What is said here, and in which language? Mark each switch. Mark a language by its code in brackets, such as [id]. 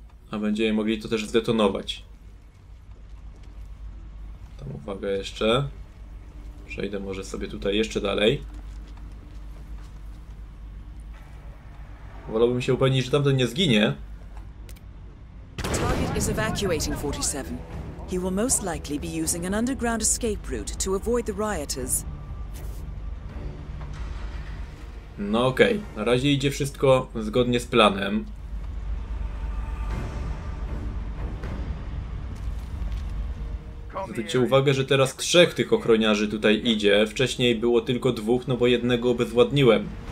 [pl] A będziemy mogli to też zdetonować. Tam uwaga jeszcze. Przejdę może sobie tutaj jeszcze dalej. Wolałbym się upewnić, że tamten nie zginie. [en] Target is evacuating 47. He will most likely be using an underground escape route to avoid the rioters. [pl] No okej, okay. Na razie idzie wszystko zgodnie z planem. Zwróćcie uwagę, że teraz trzech tych ochroniarzy tutaj idzie. Wcześniej było tylko dwóch, no bo jednego obezwładniłem.